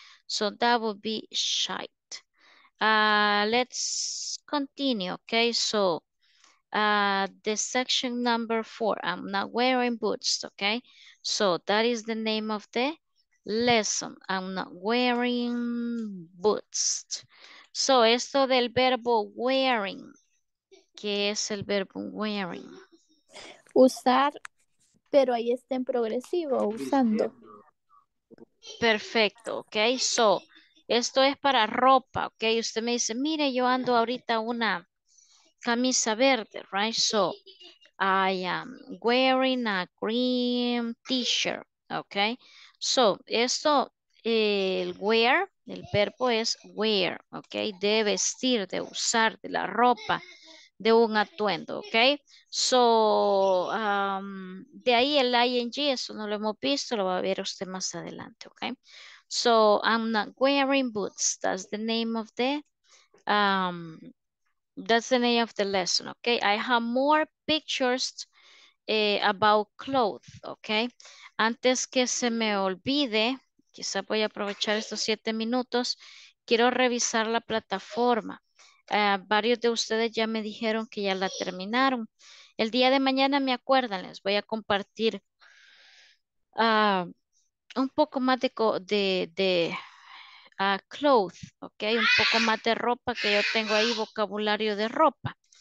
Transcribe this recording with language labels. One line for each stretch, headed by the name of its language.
English: So that would be shite. Let's continue, okay? So the section number 4, I'm not wearing boots, okay? So that is the name of the lesson, I'm not wearing boots.
Spanish: So esto del verbo wearing, ¿qué es el verbo wearing? Usar, pero ahí está en progresivo, usando. Perfecto, okay? So esto es para ropa, okay? Usted me dice, mire, yo ando ahorita una camisa verde, right?
English: So I am wearing a green t-shirt, okay?
Spanish: So esto, el wear, el verbo es wear, okay? De vestir, de usar, de la ropa, de un atuendo, okay? So de ahí el ing, eso no lo hemos visto, lo va a ver usted más adelante, okay?
English: So I'm not wearing boots, that's the name of the that's the name of the lesson, okay? I have more pictures about clothes, okay?
Spanish: Antes que se me olvide, quizá voy a aprovechar estos 7 minutos, quiero revisar la plataforma. Varios de ustedes ya me dijeron que ya la terminaron. El día de mañana, me acuerdan, les voy a compartir un poco más clothes, ok, un poco más de ropa que yo tengo ahí, vocabulario de ropa.